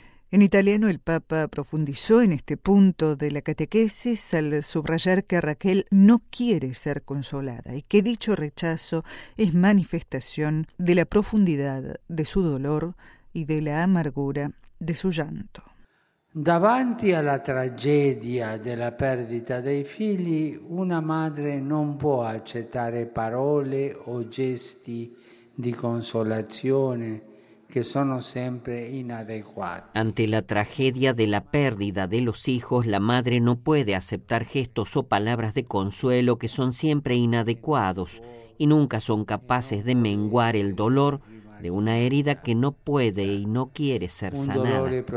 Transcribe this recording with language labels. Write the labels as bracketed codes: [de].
[es] En italiano, el Papa profundizó en este punto de la catequesis al subrayar que Raquel no quiere ser consolada y que dicho rechazo es manifestación de la profundidad de su dolor y de la amargura de su llanto. [it] Davanti alla tragedia della perdita dei figli, una madre non può accettare parole o gesti di consolazione che sono sempre inadeguati. [es] Ante la tragedia de la pérdida de los hijos, la madre no puede aceptar gestos o palabras de consuelo que son siempre inadecuados y nunca son capaces de menguar el dolor de una herida que no puede y no quiere ser sanada.